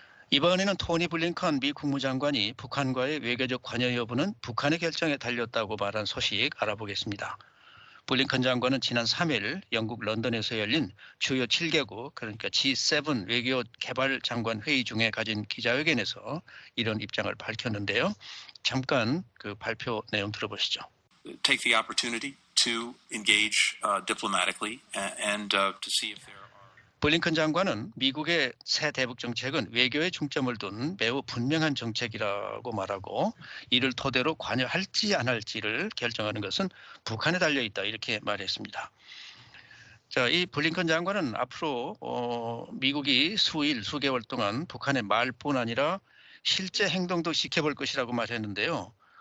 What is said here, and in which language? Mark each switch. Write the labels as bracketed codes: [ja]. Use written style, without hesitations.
[ko] 이번에는 토니 블링컨 미 국무장관이 북한과의 외교적 관여 여부는 북한의 결정에 달렸다고 말한 소식 알아보겠습니다. 블링컨 장관은 지난 3일 영국 런던에서 열린 주요 7개국, 그러니까 G7 외교 개발 장관 회의 중에 가진 기자회견에서 이런 입장을 밝혔는데요. 잠깐 그 발표 내용 들어보시죠. [en] Take the opportunity to engage diplomatically and to see if there are. [ko] 블링컨 장관은 미국의 새 대북 정책은 외교에 중점을 둔 매우 분명한 정책이라고 말하고 이를 토대로 관여할지 안 할지를 결정하는 것은 북한에 달려 있다 이렇게 말했습니다. 자, 이 블링컨 장관은 앞으로 미국이 수일, 수개월 동안 북한의 말뿐 아니라 실제 행동도 지켜볼 것이라고 말했는데요.